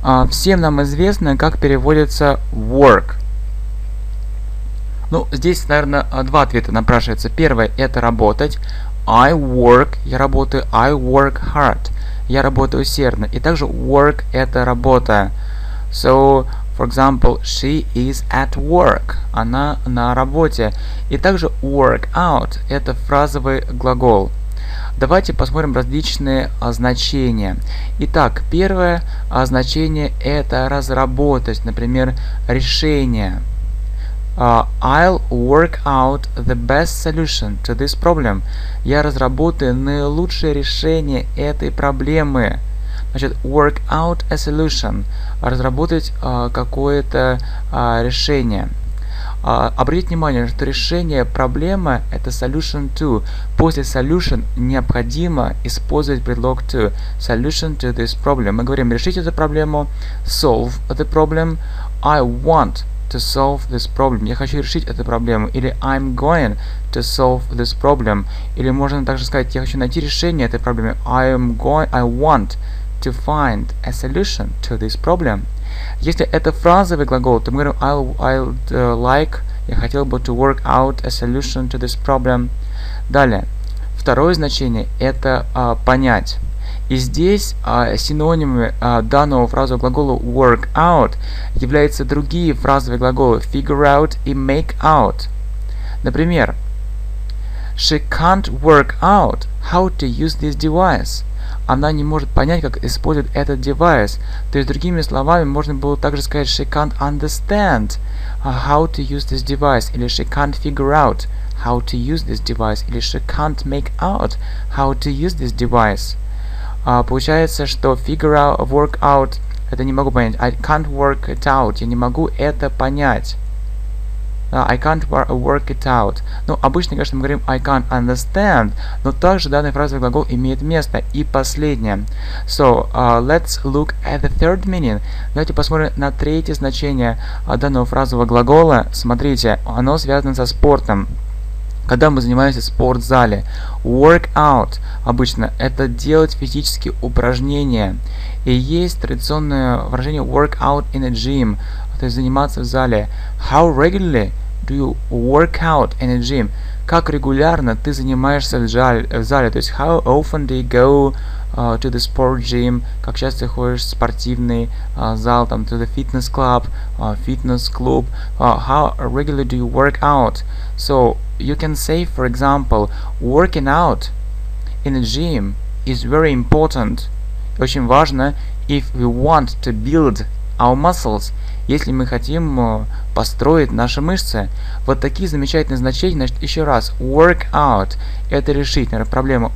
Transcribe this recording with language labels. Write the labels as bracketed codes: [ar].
[ru] Всем нам известно, как переводится work. Ну, здесь, наверное, два ответа напрашивается. Первое – это работать. [en] I work [ru] – я работаю. [en] I work hard [ru] – я работаю усердно. И также work – это работа. [en] So, for example, she is at work. [ru] Она на работе. И также work out – это фразовый глагол. Давайте посмотрим различные значения. Итак, первое значение – это разработать, например, решение. [en] I'll work out the best solution to this problem. [ru] Я разработаю наилучшее решение этой проблемы. Значит, work out a solution. Разработать какое-то решение. Обратите внимание, что решение проблемы – это solution to. После solution необходимо использовать предлог to. [en] Solution to this problem. [ru] Мы говорим решить эту проблему. [en] Solve the problem. I want to solve this problem. [ru] Я хочу решить эту проблему. Или [en] I'm going to solve this problem. [ru] Или можно также сказать, я хочу найти решение этой проблемы. [en] I want to find a solution to this problem. [ru] Если это фразовый глагол, то мы говорим я хотел бы [en] to work out a solution to this problem. [ru] Далее. Второе значение – это понять. И здесь синонимами данного фразового глагола work out являются другие фразовые глаголы figure out и make out. Например, [en] she can't work out how to use this device. [ru] Она не может понять, как использовать этот девайс. То есть, другими словами, можно было также сказать [en] she can't understand how to use this device, [ru] или [en] she can't figure out how to use this device, или she can't make out how to use this device. [ru] Получается, что figure out, work out, это не могу понять. [en] I can't work it out. [ru] Я не могу это понять. [en] I can't work it out. [ru] Ну, обычно, конечно, мы говорим [en] I can't understand, [ru] но также данный фразовый глагол имеет место. И последнее. [en] So, let's look at the third meaning. [ru] Давайте посмотрим на третье значение данного фразового глагола. Смотрите, оно связано со спортом. Когда мы занимаемся в спортзале, work out обычно это делать физические упражнения. И есть традиционное выражение [en] work out in a gym, [ru] то есть заниматься в зале. [en] How regularly do you work out in a gym? [ru] Как регулярно ты занимаешься в зале, то есть [en] how often do you go to the sport gym? [ru] Как часто ты ходишь в спортивный зал, там [en] to the fitness club, how regularly do you work out? So you can say, for example, working out in a gym is very important. [ru] Очень важно, [en] if we want to build our muscles. [ru] Если мы хотим построить наши мышцы. Вот такие замечательные значения. Значит, еще раз. Work out. Это решить, наверное, проблему.